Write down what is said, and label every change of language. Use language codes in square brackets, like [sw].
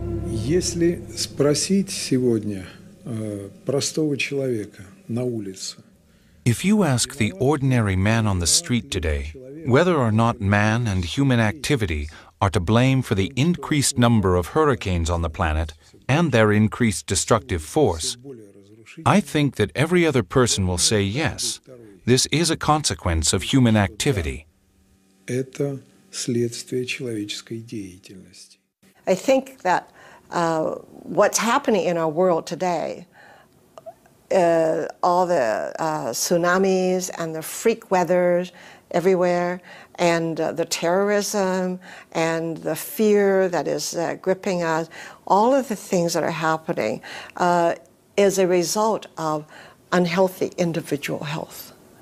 [ru] Если спросить сегодня простого человека на улице, [en] if you ask the ordinary man on the street today whether or not man and human activity are to blame for the increased number of hurricanes on the planet and their increased destructive force, I think that every other person will say yes, this is a consequence of human activity. [ru] Это следствие человеческой деятельности. [en] I think that what's happening in our world today all the tsunamis and the freak weather everywhere, and the terrorism and the fear that is gripping us, all of the things that are happening is a result of unhealthy individual health.